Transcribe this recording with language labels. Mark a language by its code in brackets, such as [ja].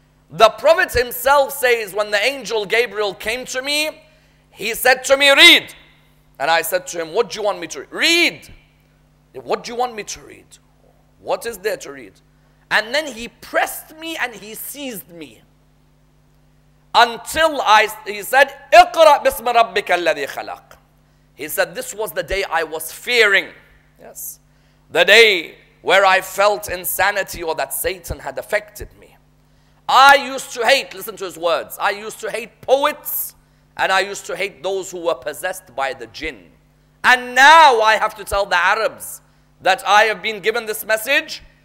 [en] The Prophet himself says, when the angel Gabriel came to me, he said to me, read. And I said to him, what do you want me to read? Read. What do you want me to read? What is there to read? And then he pressed me and he seized me. Until he said, [ar] اقرأ بسم ربك الذي خلق. [en] He said, this was the day I was fearing. Yes. The day where I felt insanity or that Satan had affected me. I used to hate, listen to his words, I used to hate poets. And I used to hate those who were possessed by the jinn. And now I have to tell the Arabs that I have been given this message.